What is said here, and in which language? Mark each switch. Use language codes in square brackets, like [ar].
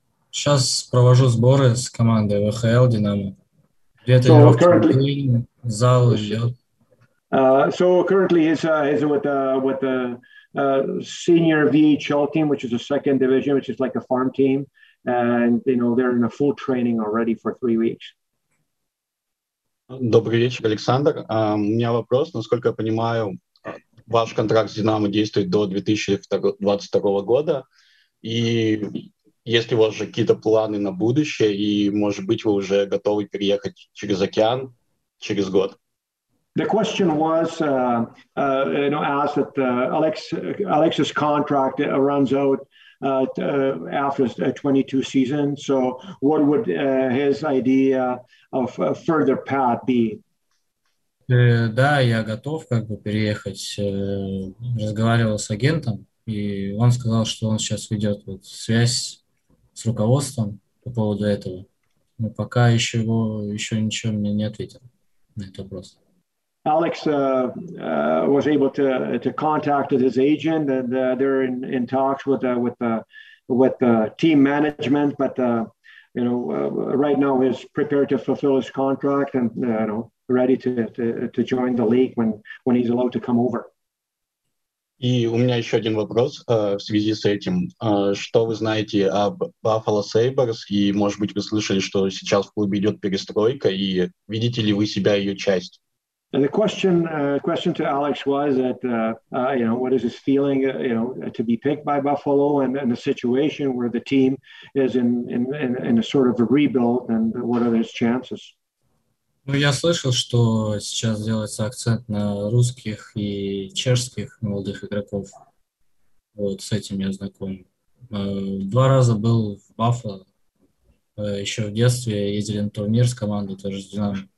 [ru] Сейчас провожу сборы с командой ВХЛ «Динамо». Две тренировки, зал идет. [en] So currently he's with the senior VHL team, which is a second division, which is like a farm team. And, you know, they're in a full training already for 3 weeks. [ru] Добрый вечер, Александр. У меня вопрос. Насколько я понимаю, ваш контракт с «Динамо» действует до 2022 года. И есть ли у вас же какие-то планы на будущее? И, может быть, вы уже готовы переехать через океан через год? [en] The question was, asked that Alex's contract runs out after 22 season. So what would his idea of a further path be? [ru] Да, я готов как бы переехать. Разговаривал с агентом, и он сказал, что он сейчас ведет вот связь с руководством по поводу этого. Но пока еще ничего мне не ответил на этот вопрос. [en] Alex was able to contact his agent, and they're in talks with the team management. But right now he's prepared to fulfill his contract and ready to join the league when he's allowed to come over. [ru] И у меня еще один вопрос в связи с этим. Что вы знаете об Buffalo Sabres? И, может быть, вы слышали, что сейчас в клубе идет перестройка, и видите ли вы себя ее часть? [en] And the question to Alex was that, what is his feeling, to be picked by Buffalo and the situation where the team is in a sort of a rebuild, and what are his chances? [ru] Ну, я слышал, что сейчас делается акцент на русских и чешских молодых игроков. Вот с этим я знаком. Два раза был в Buffalo. Еще в детстве ездили на турнир с командой, тоже с Динамо.